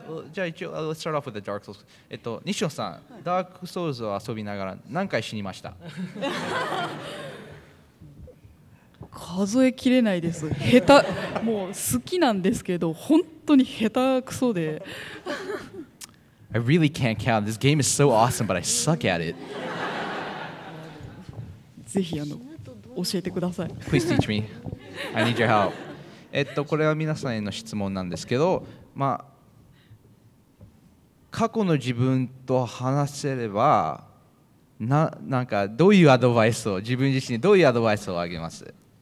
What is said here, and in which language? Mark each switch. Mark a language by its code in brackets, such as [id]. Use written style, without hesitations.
[ja] じゃあ一応、 [en] let's start off with the Dark Souls. [ja] 西野さん、ダークソウルズを遊びながら何回死にました？数えきれないです。下手、もう好きなんですけど、本当に下手くそで。 [en] I really can't count. This game is so awesome, but I suck at it. [ja] ぜひあの教えてください。 [en] Please teach me. I need your help. [ja] これは皆さんへの質問なんですけど、まあ、過去の自分と話せれば、なんかどういうアドバイスを、自分自身にどういうアドバイスをあげます？